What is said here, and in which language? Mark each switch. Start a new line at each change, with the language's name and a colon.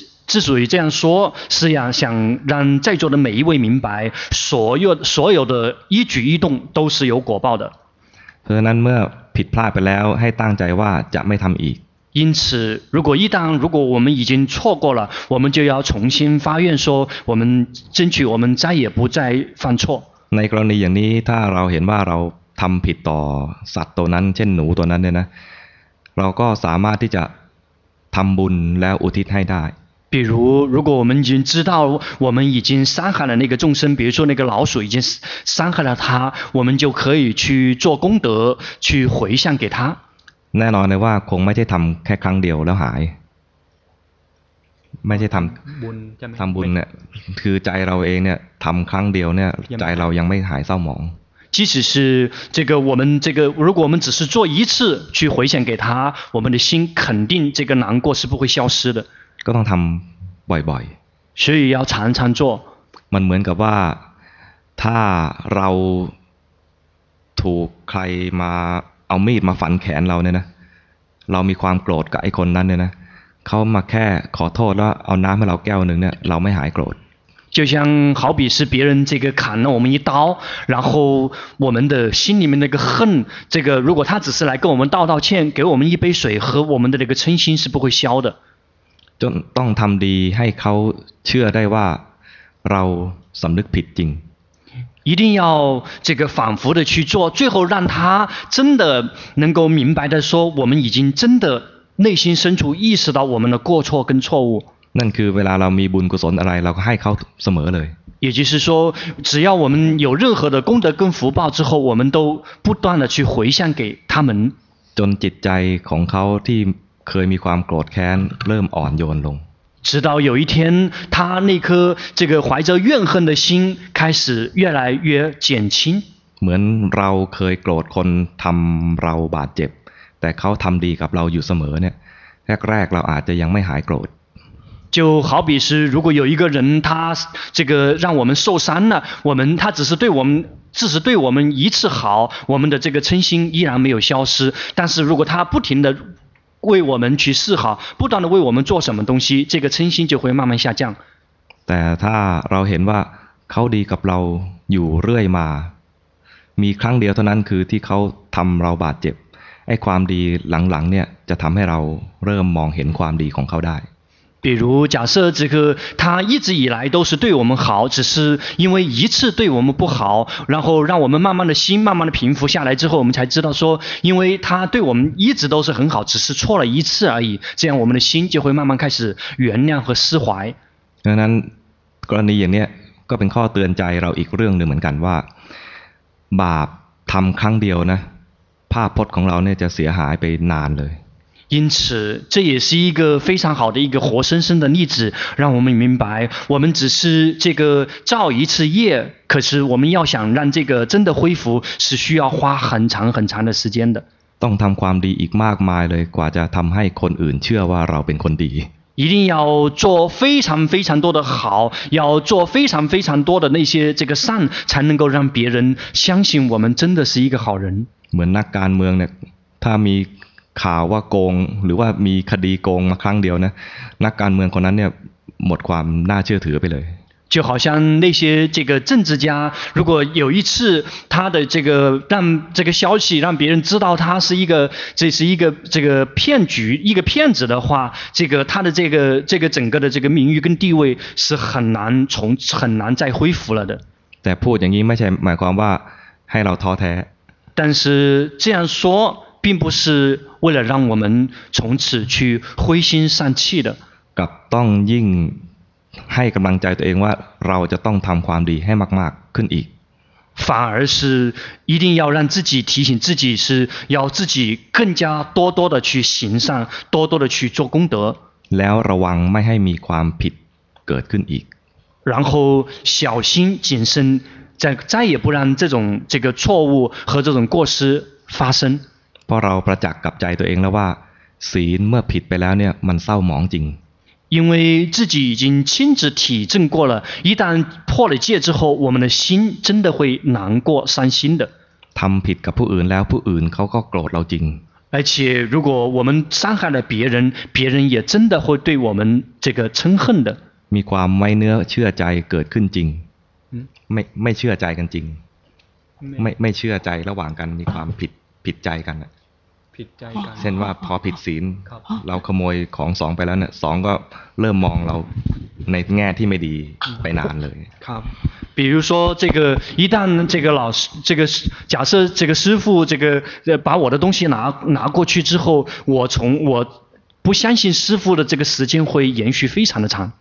Chinese: 只属于这样说是要想让在座的每一位明白所有的一举一动都是有果报的
Thai: เพราะฉะนั้นเมื่อผิดพลาดไปแล้วให้ตั้งใจว่าจะไม่ทำอีก
Chinese: 因此如果我们已经错过了我们就要重新发愿说我们争取我们再也不再犯错
Thai: ในกรณีอย่างนี้ถ้าเราเห็นว่าเราทำผิดต่อสัตว์ตัวนั้นเช่นหนูตัวนั้นเนี่ยนะเราก็สามารถที่จะทำบุญแล้วอุทิศให้ได้
Chinese: 比如如果我们已经知道我们已经伤害了那个众生比如说那个老鼠已经伤害了他我们就可以去做功德去回向给他
Thai: แน่นอนเลยว่าคงไม่ใช่ทำแค่ครั้งเดียวแล้วหายไม่ใช่ทำบุญเนี่ยคือใจเราเองเนี่ยทำครั้งเดียวเนี่ยใจเรายังไม่หายเศร้าหมอง
Chinese: 即使是这个我们这个如果我们只是做一次去回向给他我们的心肯定这个难过是不会消失的
Thai: ก็ต้องทำบ่อย
Chinese: ๆ所以要常常做
Thai: มันเหมือนกับว่าถ้าเราถูกใครมาเอามีดมาฟันแขนเราเนี่ยนะเรามีความโกรธกับไอ้คนนั้นเนี่ยนะเขามาแค่ขอโทษแล้วเอาน้ำให้เราแก้วหนึ่งเนี่ยเราไม่หายโกรธ
Chinese: 就像好比是别人这个砍了我们一刀然后我们的心里面那个恨这个如果他只是来跟我们道道歉给我们一杯水喝我们的那个嗔心是不会消的就
Thai: ต้องทำดีให้เขาเชื่อได้ว่าเราสำนึกผิดจริง
Chinese: 一定要这个反复的去做最后让他真的能够明白的说我们已经真的内心深处意识到我们的过错跟错误
Thai: นั่นคือเวลาเรามีบุญกุศลอะไรเราก็ให้เขาเสมอเลย
Chinese: 也就是说只要我们有任何的功德跟福报之后我们都不断的去回向给他们
Thai: จนจิตใจของเขาที่เคยมีความโกรธแค้นเริ่มอ่อนโยนลง
Chinese: 直到有一天他那颗这个怀着怨恨的心开始越来越减轻
Thai: เหมือนเราเคยโกรธคนทำเราบาดเจ็บแต่เขาทำดีกับเราอยู่เสมอเนี่ยแรกๆเราอาจจะยังไม่หายโกรธ
Chinese: 就好比是如果有一个人他这个让我们受伤了我们他只是对我们一次好我们的这个嗔心依然没有消失但是如果他不停的为我们去示好不断的为我们做什么东西这个嗔心就会慢慢下降
Thai: แต่ถ้าเราเห็นว่าเขาดีกับเราอยู่เรื่อยมามีครั้งเดียวเท่านั้นคือที่เขาทำเราบาดเจ็บไอ้ความดีหลังๆเนี่ยจะทำให้เราเริ่มมองเห็นความดีของเขาได้
Chinese: 比如假设这个他一直以来都是对我们好，只是因为一次对我们不好，然后让我们慢慢的心慢慢的平复下来之后，我们才知道说因为他对我们一直都是很好，只是错了一次而已，这样我们的心就会慢慢开始原谅和释怀。
Thai: ดังนั้นกรณีอย่างนี้ก็เป็นข้อเตือนใจเราอีกเรื่องหนึ่งเหมือนกันว่าบาปทำครั้งเดียวนะภาพพจน์ของเราเนี่ยจะเสียหายไปนานเลย
Chinese: 因此这也是一个非常好的一个活生生的例子，让我们明白我们只是这个造一次业，可是我们要想让这个真的恢复是需要花很长很长的时间的。
Thai: ต้องทำความดีอีกมากมายเลยกว่าจะทำให้คนอื่นเชื่อว่าเราเป็นคนดี
Chinese: 一定要做非常非常多的好，要做非常非常多的那些这个善，才能够让别人相信我们真的是一个好人。
Thai: เหมือนนักการเมืองเนี่ยถ้ามีข่าวว่าโกงหรือว่ามีคดีโกงมาครั้งเดียวนะนักการเมืองคนนั้นเนี่ยหมดความน่าเชื่อถือไปเลย
Chinese: 就好像那些这个政治家，如果有一次他的这个让这个消息让别人知道他是一个这是一个这个骗局一个骗子的话，这个他的这个这个整个的这个名誉跟地位是很难从很难再恢复了的。
Thai: แต่พูดอย่างนี้ไม่ใช่หมายความว่าให้เราท้อแท้
Chinese: 但是这样说并不是为了让我们从此去灰心丧气的。
Thai: กับต้องยิ่งให้กำลังใจตัวเองว่าเราจะต้องทำความดีให้มากๆขึ้นอีก
Chinese: 反而是一定要让自己提醒自己是要自己更加多多的去行善多多的去做功德
Thai: แล้วระวังไม่ให้มีความผิดเกิดขึ้นอีก
Chinese: 然后小心谨慎再也不让这种这个错误和这种过失发生
Thai: เพราะเราประจักษ์กับใจตัวเองแล้วว่าศีลเมื่อผิดไปแล้วเนี่ยมันเศร้าหมองจริง
Chinese: 因为自己已经亲自体证过了，一旦破了戒之后，我们的心真的会难过、伤心的。
Thai: ทำผิดกับผู้อื่นแล้วผู้อื่นเขาก็โกรธเราจริง。
Chinese: 而且，如果我们伤害了别人，别人也真的会对我们这个嗔恨的。
Thai: มีความไม่เนื้อเชื่อใจเกิดขึ้นจริง。ไม่เชื่อใจกันจริง。 ไม่เชื่อใจระหว่างกันมีความผิดใจกัน ผิดใจก เช่นว่าพอผิดศีลเราขโมยของสองไปแล้วเนี่ยสองก็เริ่มมองเราในแง่ที่ไม่ดีไปนานเลย ครับ
Chinese: 比如说这个一旦这个老师这个假设这个师傅这个把我的东西拿过去之后我从我不相信师傅的这个时间会延续非常的长